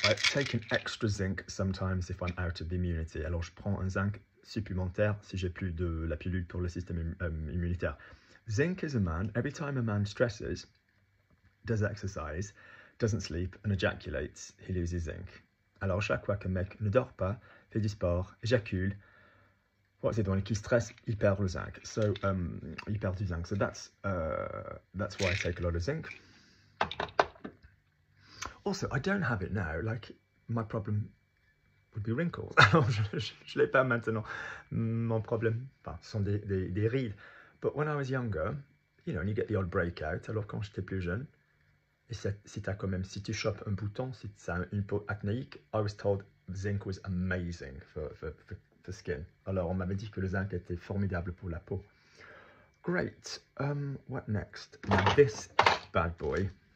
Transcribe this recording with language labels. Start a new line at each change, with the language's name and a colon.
English: I take an extra zinc sometimes if I'm out of the immunity.
French: Alors, je prends un zinc supplémentaire si j'ai plus de la pilule pour le système immunitaire.
English: Zinc is a man. Every time a man stresses, does exercise, doesn't sleep, and ejaculates, he loses zinc.
French: Alors, chaque fois qu'un mec ne dort pas, fait du sport, éjacule,
English: what is it, when he stresses,
French: il perd le zinc.
English: So,
French: il perd du zinc.
English: So that's why I take a lot of zinc. Also, I don't have it now. Like, my problem would be wrinkles.
French: Alors, je l'ai pas maintenant. Mon problème, enfin, ce sont des rides.
English: But when I was younger, you know, and you get the old breakout.
French: Alors, quand j'étais plus jeune, et si t'as quand même, si tu chopes un bouton, si t'as une peau acnéique,
English: I was told zinc was amazing for skin.
French: Alors, on m'avait dit que le zinc était formidable pour la peau.
English: Great. What next? Now, this bad boy.